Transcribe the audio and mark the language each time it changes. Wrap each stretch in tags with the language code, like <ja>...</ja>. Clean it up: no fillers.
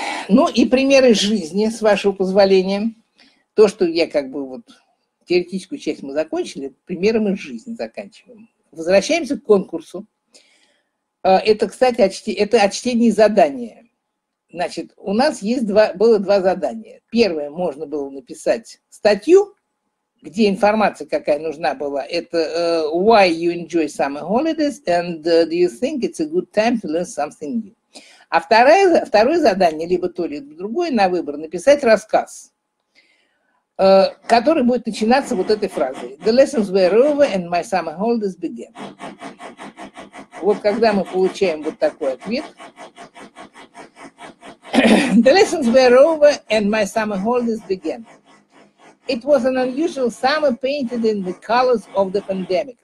<ru>Ну и примеры жизни, с вашего позволения. То, что я как бы вот теоретическую часть мы закончили, примером из жизни заканчиваем. Возвращаемся к конкурсу. Это, кстати, о чтении задания. Значит, у нас есть было два задания. Первое, можно было написать статью, где информация какая нужна была.</ru> <en>Это «Why you enjoy summer holidays and do you think it's a good time to learn something new?»</en> <ru>А второе задание, либо то, либо другое, на выбор, написать рассказ, который будет начинаться вот этой фразой.</ru> <en>The lessons were over and my summer holidays began.</en> <ru>Вот когда мы получаем вот такой ответ.</ru> <en>The lessons were over and my summer holidays began. It was an unusual summer painted in the colors of the pandemic.</en>